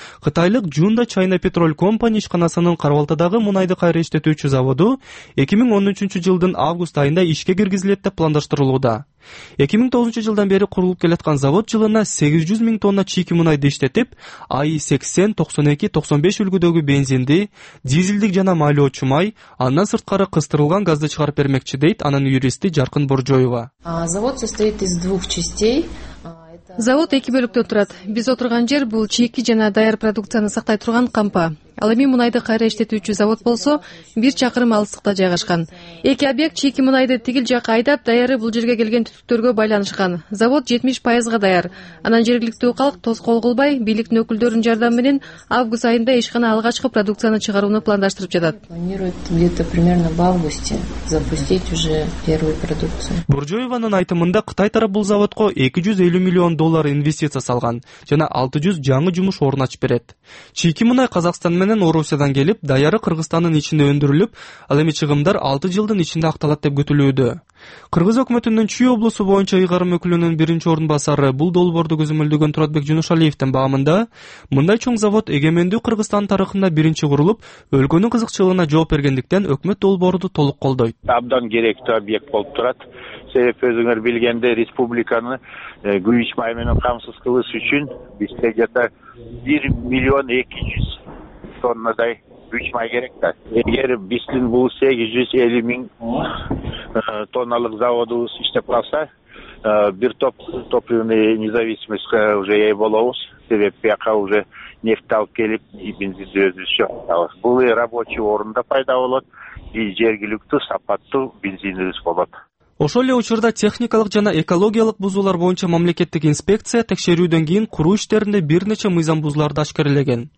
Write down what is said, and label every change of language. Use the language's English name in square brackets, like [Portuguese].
[Kyrgyz] Кытайлык Жунда Чайна Петрол Компания ишканасынын Карвалтадагы мунайды кайра иштетүүчү заводу 2013 жылдын август айында ишке киргизилет деп пландаштырылууда. 2009 жылдан бери курулуп келаткан завод жылына 800 000 тонна чийки мунайды иштетип, АИ 80, 92, 95 үлгүдөгү бензинди, дизелдик жана майлоочу май, андан сырткары кыстырылган газды чыгарып бермекчи, дейт анын юристи Жаркын Боржоева. [Russian] Завод состоит из двух частей. [Kyrgyz] Завод эки бөлүктөн турат. Биз отурган жер бул чийки жана даяр продукцияны сактай турган кампа. Ал эми мунайды кайра иштетүүчү завод болсо, 1 чакырым алыстыкта жайгашкан. Эки объект чийки мунайды тигил жакка айдап, даяры бул жерге келген түтүктөргө байланышкан. Завод 70% даяр. Анан жергиликтүү калк тоскоол кылбай, бийликтин өкүлдөрүнүн жардамы менен август айында ишкана алгачкы продукцияны чыгарууну пландаштырып жатат. [Russian] Планируют где-то примерно в августе запустить уже первую продукцию. [Kyrgyz] Боржоеванын айтымында Кытай тарап бул заводко 250 миллион доллар инвестиция салган жана 600 жаңы жумуш орун ачып берет. Чийки мунай Казакстан менен Орусиядан келип, даяры Кыргызстандын ичинде өндүрүлүп, ал эми чыгымдар 6 жылдын ичинде акталат деп күтүлүүдө. Кыргыз өкмөтүнүн Чүй облусу боюнча ыйгарым өкүлүнүн биринчи орун басары бул долбоорду көзөмөлдөгөн Туратбек Жунушалиевтин баамында, мындай чоң завод эгемендүү Кыргызстан тарыхында биринчи курулуп, өлкөнүн кызыкчылыгына жооп бергендиктен өкмөт долбоорду толук колдойт. Абдан керектүү объект болуп турат. Себеп өзүңөр билгенде республиканы күйүч май менен камсыз кылыш үчүн бизде жата 1 200 000 тоннадай күйүч май керек да. Эгер биздин бул 850 000 тонналык заводубуз иштеп калса, бир топ [Russian] топливный независимостька уже [Kyrgyz] ээ болобуз. Себеп бияка [Russian] уже нефти [Kyrgyz] алып келип, бензинди өзүбүз иштеп алабыз. Бул рабочий орунда пайда болот и жергиликтүү сапаттуу бензинибиз болот. Ошол эле учурда техникалык жана экологиялык бузуулар боюнча мамлекеттик инспекция текшерүүдөн кийин куруу иштеринде бир нече мыйзам бузууларды ашкерелеген.